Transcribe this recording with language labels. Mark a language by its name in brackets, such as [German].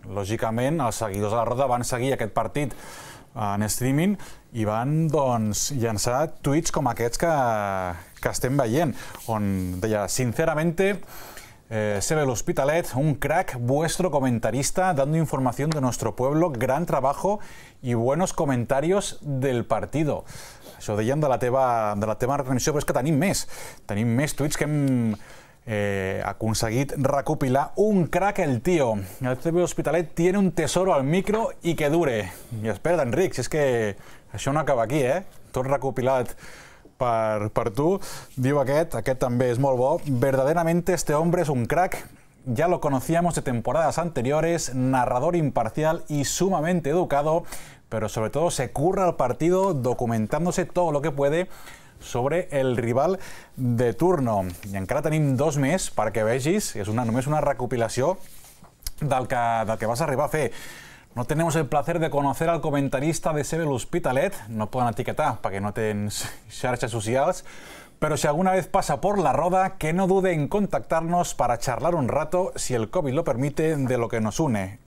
[Catalan] Lògicament, els seguidors de la Roda van seguir aquest partit en streaming i van, doncs, llançar tuits com aquests que estem veient, on deia, [Spanish] sinceramente, CB l'Hospitalet, un crack, vuestro comentarista, dando información de nuestro pueblo, gran trabajo y buenos comentarios del partido. [Catalan] Això ho deien de la teva retransmissió, però és que tenim més tuits que hem aconseguit recopilar. [Spanish] Un crack el tío, el CB Hospitalet tiene un tesoro al micro y que dure. [Catalan] I espera't, Enric, si és que això no acaba aquí, tot recopilat per tu. Diu aquest també és molt bo: [Spanish] verdaderamente este hombre es un crack, ya lo conocíamos de temporadas anteriores, narrador imparcial y sumamente educado, pero sobre todo se curra el partido documentándose todo lo que puede sobre el rival de turno. [Catalan] I encara tenim 2 més perquè vegis, és només una recopilació del que vas arribar a fer. [Spanish] No tenemos el placer de conocer al comentarista de CB l'Hospitalet, [Catalan] no et poden etiquetar perquè no tens xarxes socials, [Spanish] pero si alguna vez pasa por la Roda, que no dude en contactarnos para charlar un rato, si el COVID lo permite, de lo que nos une.